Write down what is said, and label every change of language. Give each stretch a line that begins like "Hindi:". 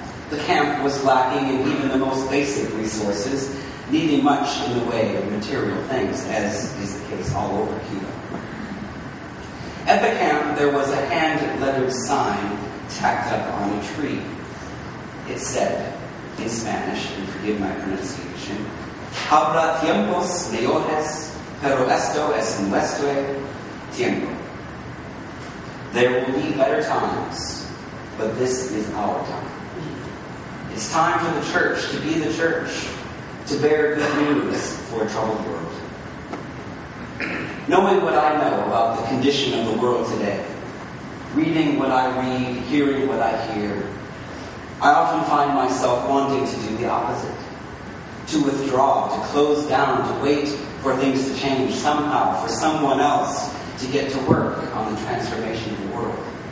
English: The camp was lacking in even the most basic resources, needing much in the way of material things, as is the case all over Cuba. At the camp, there was a hand-lettered sign tacked up on a tree. It said, in Spanish, and forgive my pronunciation,
Spanish: Habrá tiempos mejores, pero esto es nuestro tiempo.
English: There will be better times, but this is our time. It's time for the church to be the church, to bear good news for a troubled world. Knowing what I know about the condition of the world today, reading what I read, hearing what I hear, I often find myself wanting to do the opposite, to withdraw, to close down, to wait for things to change somehow, for someone else to get to work on the transformation of the world.